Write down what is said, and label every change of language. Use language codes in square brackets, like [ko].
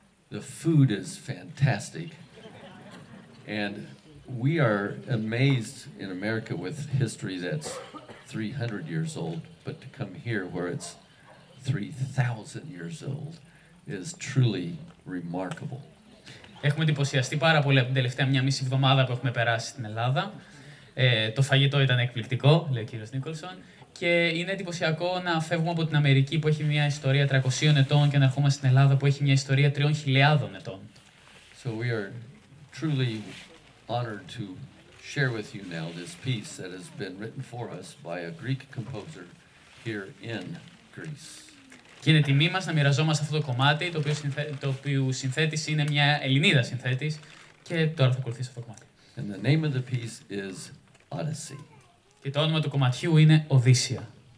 [en] The food is fantastic. And we are amazed in America with history that's 300 years old, but to come here where it's 3,000 years old is truly remarkable. [el] Έχουμε εντυπωσιαστεί πάρα πολύ από την τελευταία μία μισή εβδομάδα που έχουμε περάσει στην Ελλάδα. Το φαγητό ήταν εκπληκτικό, λέει ο κύριος Νίκολσον, και είναι εντυπωσιακό να φεύγουμε από την Αμερική που έχει μια ιστορία 300 ετών και να ερχόμαστε στην Ελλάδα που έχει μια ιστορία 3.000 ετών. [en] So we are truly honored to share with you now this piece that has been written for us by a Greek composer here in Greece. [el] Και είναι τιμή μας να μοιραζόμαστε αυτό το κομμάτι, το οποίο συνθέτης είναι μια Ελληνίδα συνθέτης, και τώρα θα ακολουθήσει αυτό το κομμάτι. [en] And the name of the piece is Odyssey. [el] Και το όνομα του κομματιού είναι Οδύσσια.